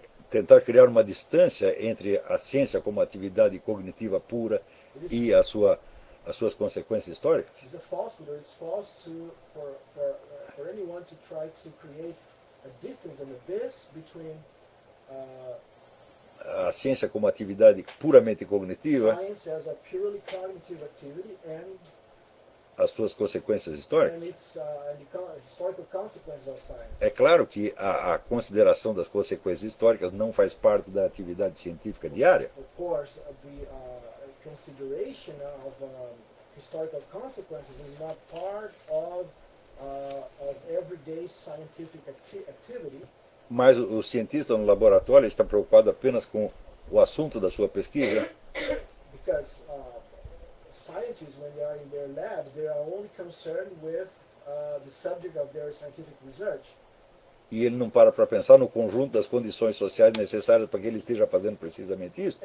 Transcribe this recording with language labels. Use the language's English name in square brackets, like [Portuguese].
[Portuguese] Tentar criar uma distância entre a ciência como atividade cognitiva pura e as suas consequências históricas. [English] It's a falsehood, but it's false to for anyone to try to create a distance, an abyss between [Portuguese] a ciência como atividade puramente cognitiva, [English] science as a purely cognitive activity, and [Portuguese] as suas consequências históricas. [English] And its, and the historical consequences of science. [Portuguese] É claro que a consideração das consequências históricas não faz parte da atividade científica diária. [English] Of course, the consideration of historical consequences is not part of everyday scientific activity. [Portuguese] Mas o cientista no laboratório está preocupado apenas com o assunto da sua pesquisa. [English] Because scientists, when they are in their labs, they are only concerned with the subject of their scientific research. [Portuguese] E ele não para para pensar no conjunto das condições sociais necessárias para que ele esteja fazendo precisamente isso.